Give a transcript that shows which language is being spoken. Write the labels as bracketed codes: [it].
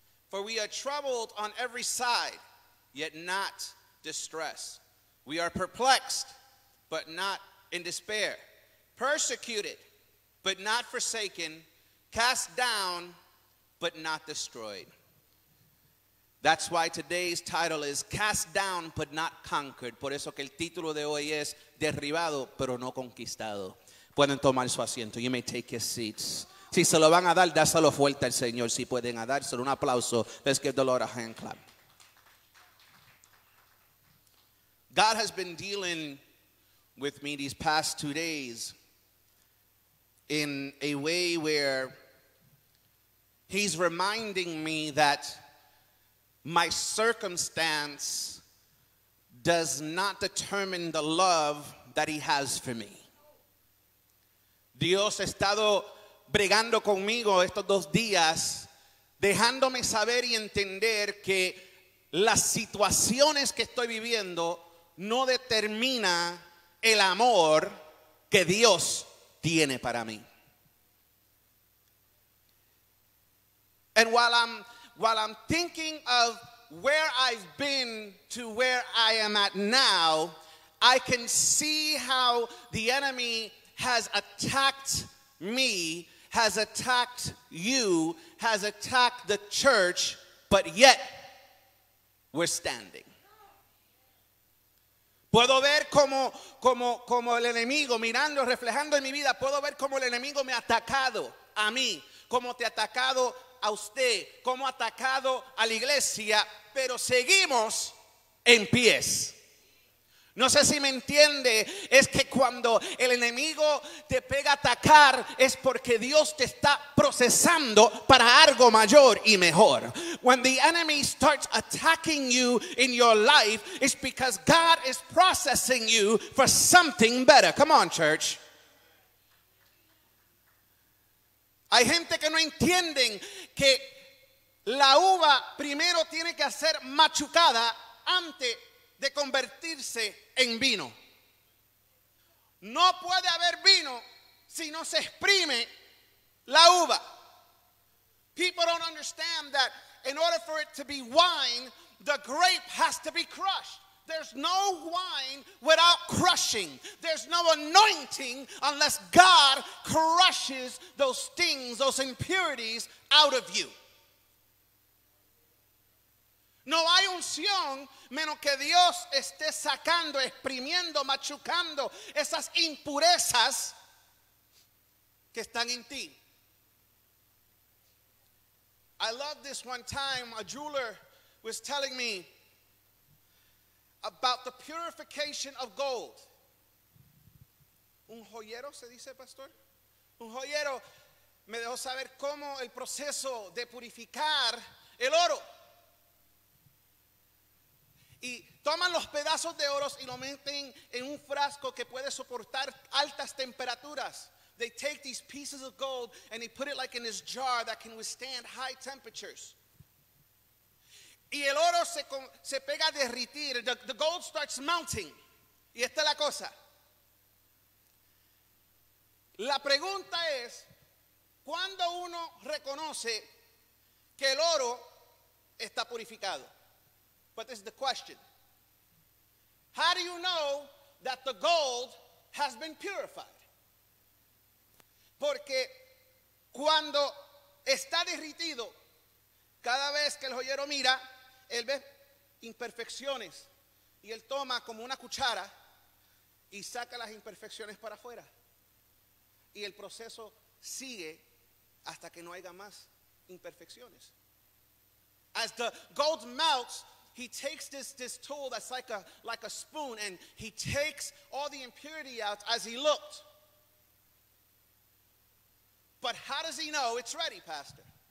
[en] For we are troubled on every side, yet not distressed. We are perplexed, but not in despair. Persecuted, but not forsaken. Cast down, but not destroyed. That's why today's title is Cast Down But Not Conquered. [es] Por eso que el título de hoy es Derribado Pero No Conquistado. Pueden tomar su asiento. [en] You may take your seats. [es] Si se lo van a dar, dáselo fuerte al Señor. Si pueden a dárselo un aplauso. [en] Let's give the Lord a hand clap. God has been dealing with me these past 2 days in a way where he's reminding me that my circumstance does not determine the love that he has for me. [es] Dios ha estado bregando conmigo estos 2 días, dejándome saber y entender que las situaciones que estoy viviendo no determina el amor que Dios tiene para mí. [en] And while I'm thinking of where I've been to where I am at now, I can see how the enemy has attacked me, has attacked you, has attacked the church, but yet we're standing. [es] Puedo ver como el enemigo mirando, reflejando en mi vida, puedo ver como el enemigo me ha atacado a mí, como te ha atacado a usted, como ha atacado a la iglesia, pero seguimos en pies. No sé si me entiende, es que cuando el enemigo te pega a atacar es porque Dios te está procesando para algo mayor y mejor. [en] When the enemy starts attacking you in your life, it's because God is processing you for something better. Come on, church. [es] Hay gente que no entienden que la uva primero tiene que ser machucada antes de convertirse en vino. No puede haber vino si no se exprime la uva. [en] People don't understand that in order for it to be wine, the grape has to be crushed. There's no wine without crushing. There's no anointing unless God crushes those things, those impurities out of you. [es] No hay unción menos que Dios esté sacando, exprimiendo, machucando esas impurezas que están en ti. [en] I love this one time a jeweler was telling me about the purification of gold. [es] Un joyero se dice, pastor. Un joyero me dejó saber cómo el proceso de purificar el oro. Y toman los pedazos de oro y lo meten en un frasco que puede soportar altas temperaturas. [en] They take these pieces of gold and they put it like in this jar that can withstand high temperatures. [es] Y el oro se pega a derritir. [en] The gold starts melting. [es] Y esta es la cosa. La pregunta es, ¿cuándo uno reconoce que el oro está purificado? [en] But this is the question. How do you know that the gold has been purified? [es] Porque cuando está derritido, cada vez que el joyero mira, él ve imperfecciones y él toma como una cuchara y saca las imperfecciones para afuera. Y el proceso sigue hasta que no haya más imperfecciones. [en] As the gold melts, he takes this tool that's like a spoon, and he takes all the impurity out as he looked. But how does he know it's ready, Pastor?